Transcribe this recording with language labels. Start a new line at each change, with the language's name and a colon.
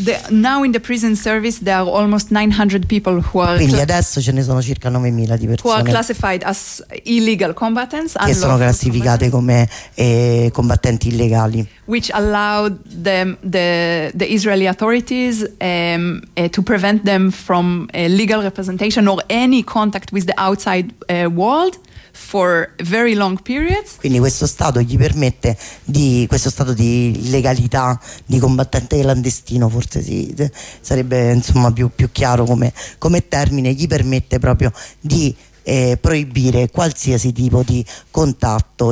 English: Now in the prison service there are almost 900 people who are,
Italian: quindi adesso ce ne sono circa 9000 di persone
English: who are classified as illegal combatants,
Italian: che sono classificate come combattenti illegali,
English: which allowed them the Israeli authorities to prevent them from legal representation or any contact with the outside world for very long periods.
Italian: Quindi questo stato gli permette questo stato di illegalità, di combattente clandestino, forse sì, sarebbe insomma più chiaro come termine, gli permette proprio di proibire qualsiasi tipo di contatto.